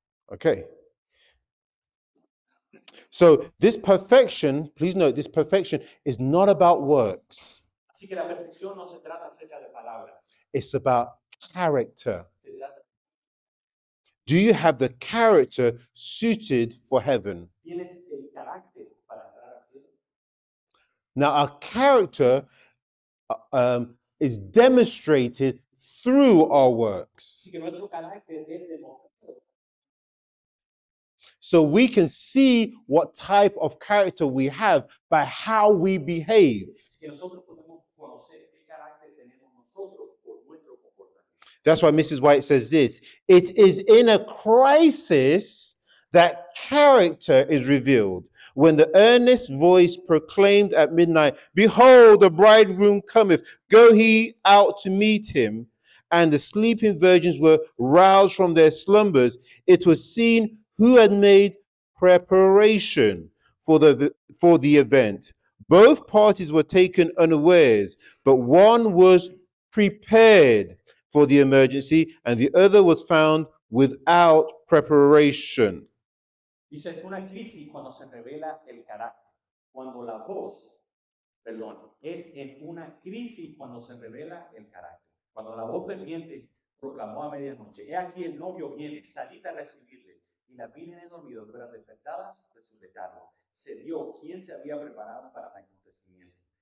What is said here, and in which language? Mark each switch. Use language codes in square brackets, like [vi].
[en] Okay, so this perfection, please note, this perfection is not about works. [es] Así que la perfección no se trata acerca de palabras. [en] It's about character. Do you have the character suited for heaven? [es] ¿Tienes el carácter para entrar al cielo? [en] Now, our character is demonstrated through our works. [es] Así que nuestro carácter es demostrado. [en] So we can see what type of character we have by how we behave. [es] Así que nosotros podemos conocer qué carácter tenemos nosotros por nuestro comportamiento. [en] That's why Mrs. White says this. It is in a crisis that character is revealed. When the earnest voice proclaimed at midnight, "Behold, the bridegroom cometh, go he out to meet him," and the sleeping virgins were roused from their slumbers, it was seen who had made preparation for the event. Both parties were taken unawares, but one was prepared for the emergency, and the other was found without preparation. [es] Dice, es una crisis cuando se revela el carácter. Cuando la voz, perdón, es en una crisis cuando se revela el carácter. Cuando la voz del viento proclamó a medianoche, he aquí el novio viene, salid a recibirle. Y las vírgenes dormidas fueron despertadas de su letargo. Se vio quién se había preparado para tal acontecimiento.